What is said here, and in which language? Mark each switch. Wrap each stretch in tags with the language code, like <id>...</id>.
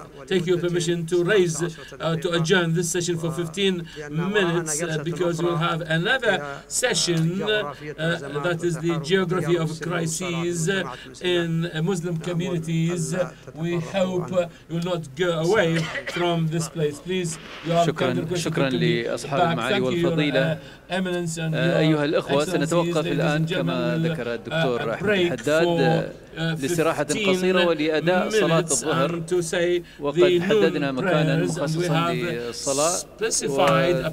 <en>take your permission to raise to adjourn this session for 15 minutes because we'll have another session that is the geography of crises in Muslim communities. We hope you will not go away from this place. Please, you are</en> <ar>شكراً لأصحاب المعالي والفضيلة. أيها الأخوة، سنتوقف الآن كما ذكر الدكتور أحمد حداد لاستراحة قصيرة ولأداء صلاة الظهر، وقد حددنا مكانا مخصصا للصلاة.</ar>